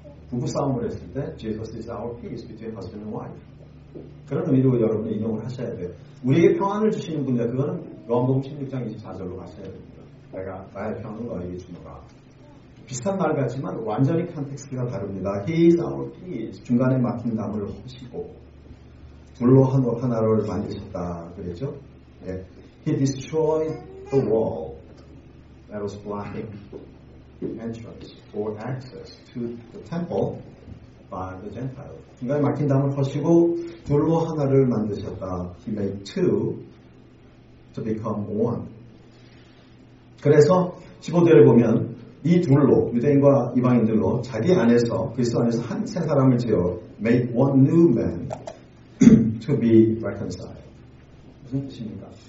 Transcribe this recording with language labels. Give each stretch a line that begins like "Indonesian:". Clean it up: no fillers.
Korean: 부부 싸움을 했을 때
English: Jesus is our peace between husband and wife.
Korean: 그런 의미로 여러분이 인용을 하셔야 돼요. 우리에게 평안을 주시는 분이야. 그거는 요한복음 16장 24절로 가셔야 됩니다. 내가 나의 평안을 너에게 주노라. 비슷한 말 같지만 완전히 컨텍스트가 다릅니다.
English: He is our peace.
Korean: 중간에 막힌 담을 허시고 둘로 하나를 만드셨다. 그랬죠? 예.
English: He destroyed the wall that was blocking entrance or access to the temple by the Gentile.
Korean: 중간에 막힌 담을 허시고 둘로 하나를 만드셨다.
English: He made two to become one.
Korean: 그래서 15절을 보면 이 둘로 유대인과 이방인들로 자기 안에서 그리스도 안에서 한 새 사람을 지어
English: make one new man to be reconciled.
Korean: 무슨 뜻입니까?